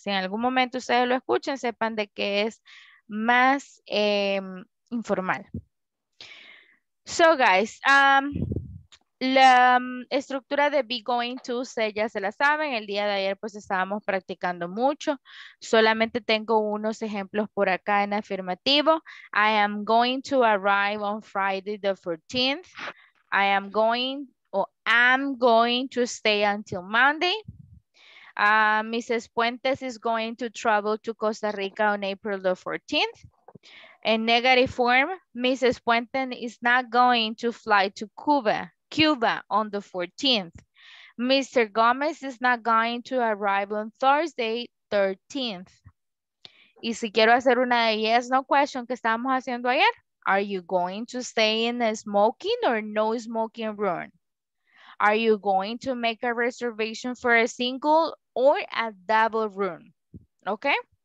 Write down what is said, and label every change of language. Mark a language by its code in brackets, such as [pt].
[es] Si en algún momento ustedes lo escuchen, sepan de que es más informal. [en] So, guys, [es] la estructura de be going to, ya se la saben. El día de ayer pues estábamos practicando mucho. Solamente tengo unos ejemplos por acá en afirmativo. [en] I am going to arrive on Friday the 14th. I am going, or am going to stay until Monday. Mrs. Puentes is going to travel to Costa Rica on April the 14th. In negative form, Mrs. Puentes is not going to fly to Cuba on the 14th. Mr. Gomez is not going to arrive on Thursday 13th. [es] Y si quiero hacer una yes, no question que estábamos haciendo ayer. [en] Are you going to stay in a smoking or no smoking room? Are you going to make a reservation for a single or a double room? Okay?